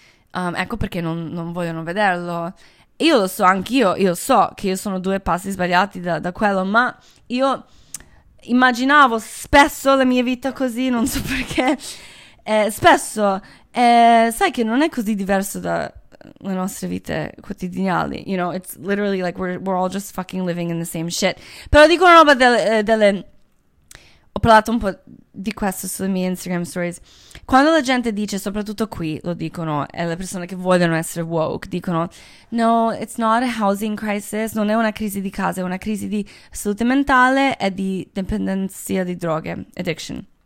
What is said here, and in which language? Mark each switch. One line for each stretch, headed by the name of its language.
Italian: Ecco perché non vogliono vederlo. Io lo so, anch'io, io so che io sono due passi sbagliati da quello, ma io immaginavo spesso la mia vita così, non so perché. Spesso, sai che non è così diverso dalle nostre vite quotidiane.
English: You know, it's literally like we're all just fucking living in the same shit.
Italian: Però dico una roba delle... Ho parlato un po' di questo sulle mie Instagram stories. Quando la gente dice, soprattutto qui, lo dicono, e le persone che vogliono essere woke, dicono, no,
English: it's not a housing crisis,
Italian: non è una crisi di casa, è una crisi di salute mentale e di dipendenza di droghe, addiction.